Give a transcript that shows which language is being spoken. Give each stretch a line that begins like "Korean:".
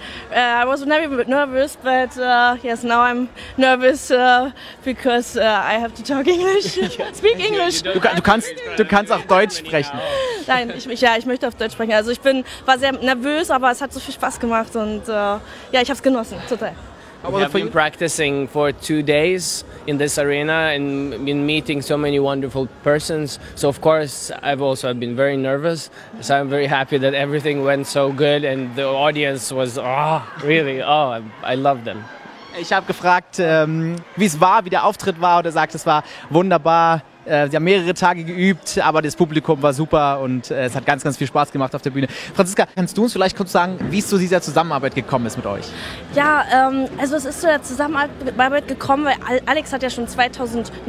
English: I was very nervous, but yes, now I'm nervous because I have to talk English. Speak English.
German: Du kannst auch Deutsch sprechen. Nein, ich möchte auf Deutsch sprechen. Also ich war sehr nervös, aber es hat so viel Spaß gemacht und ja, ich habe es genossen, total.
English: We have been practicing for 2 days in this arena and been meeting so many wonderful persons. So of course, I've also been very nervous. So I'm very happy that everything went so good and the audience was I love them.
German: Ich habe gefragt, wie es war, wie der Auftritt war, und er sagt, es war wunderbar. Sie haben mehrere Tage geübt, aber das Publikum war super und es hat ganz, ganz viel Spaß gemacht auf der Bühne. Franziska, kannst du uns vielleicht kurz sagen, wie es zu dieser Zusammenarbeit gekommen ist mit euch? Ja, also es ist zu der Zusammenarbeit gekommen, weil Alex hat ja schon 2009.